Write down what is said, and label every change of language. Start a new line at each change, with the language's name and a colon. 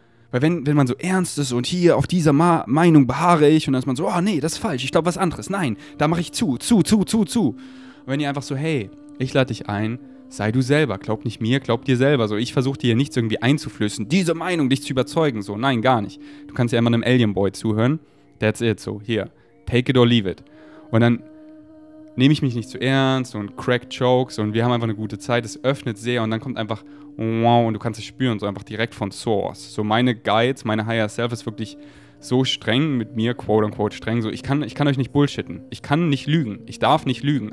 German: Weil wenn man so ernst ist und hier auf dieser Meinung beharre ich und dann ist man so, das ist falsch, ich glaube was anderes. Nein, da mache ich zu. Und wenn ihr einfach so, hey, ich lade dich ein, sei du selber, glaub nicht mir, glaub dir selber. So, ich versuche dir nichts irgendwie einzuflößen, diese Meinung, dich zu überzeugen. So, nein, gar nicht. Du kannst ja immer einem Alien-Boy zuhören.
English: That's it, so, hier, take it or leave it.
German: Und dann nehme ich mich nicht zu ernst und
English: crack jokes
German: und wir haben einfach eine gute Zeit. Es öffnet sehr und dann kommt einfach, wow, und du kannst es spüren, so einfach direkt von Source. So, meine Guides, meine Higher Self ist wirklich so streng mit mir, quote-unquote streng. So, ich kann euch nicht bullshitten. Ich kann nicht lügen. Ich darf nicht lügen.